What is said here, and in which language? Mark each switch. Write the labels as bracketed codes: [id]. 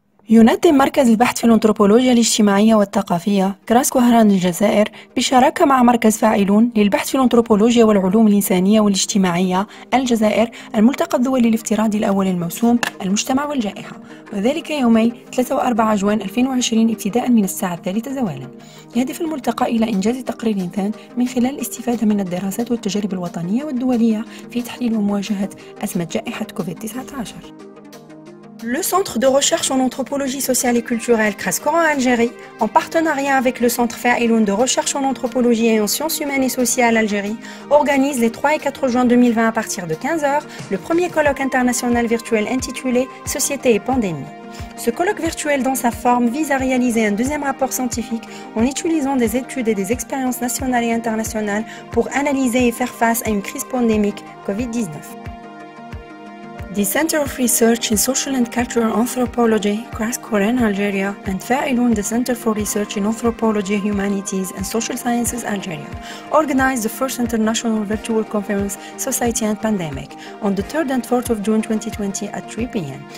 [ar] ينظم مركز البحث في الأنثروبولوجيا الاجتماعية والثقافية كراس كوهران الجزائر بشراكة مع مركز فاعلون للبحث في الأنثروبولوجيا والعلوم الإنسانية والاجتماعية الجزائر الملتقى الدولي الافتراضي الأول الموسوم المجتمع والجائحة، وذلك يومي 3 و4 جوان 2020 ابتداء من الساعة 3 زوالا. يهدف الملتقى إلى إنجاز تقرير ثان من خلال الاستفادة من الدراسات والتجارب الوطنية والدولية في تحليل ومواجهة أزمة جائحة كوفيد-19. [fr] Le Centre de recherche en anthropologie sociale et culturelle Kraskoran Algérie, en partenariat avec le Centre Fa'iloun de recherche en anthropologie et en sciences humaines et sociales Algérie, organise les 3 et 4 juin 2020 à partir de 15h le premier colloque international virtuel intitulé « Société et pandémie ». Ce colloque virtuel dans sa forme vise à réaliser un deuxième rapport scientifique en utilisant des études et des expériences nationales et internationales pour analyser et faire face à une crise pandémique Covid-19. [en] The Center of Research in Social and Cultural Anthropology, Kraskoran Algeria, and Fa'iloun, the Center for Research in Anthropology, Humanities, and Social Sciences Algeria, organized the first international virtual conference, Society and Pandemic, on the 3rd and 4th of June 2020 at 3 p.m.